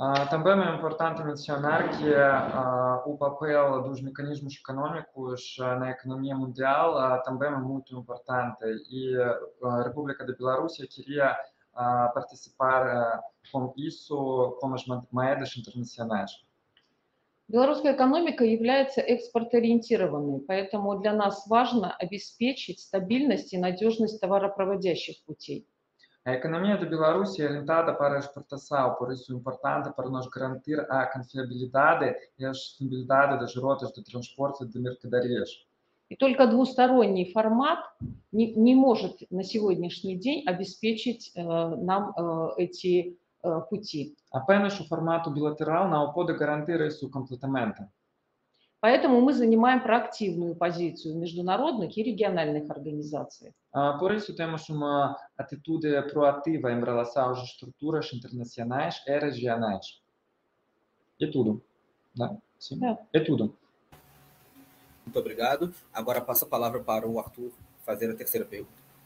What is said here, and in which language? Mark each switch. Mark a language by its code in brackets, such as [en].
[pt] Também é importante mencionar que o papel dos mecanismos econômicos na economia mundial também é muito importante. E a República da Bielorrússia queria participar com isso, com as moedas internacionais. [ru] Белорусская экономика является экспорториентированной, поэтому для нас важно обеспечить стабильность и надежность товаропроводящих путей. [pt] A economia da Bielorrússia é orientada para a exportação, por isso é importante para nós garantir a confiabilidade e a sustentabilidade das rotas de transporte de mercadorias. [ru] E только двусторонний формат не может на сегодняшний день обеспечить нам эти пути. [pt] Apenas o formato bilateral não pode garantir isso completamente. [ru] Поэтому мы занимаем проактивную позицию в международных и региональных организациях. [pt] Por isso temos uma atitude proativa em relação às estruturas internacionais e regionais. É tudo, né? Sim. É tudo. Muito obrigado. Agora passo a palavra para o Arthur fazer a terceira pergunta.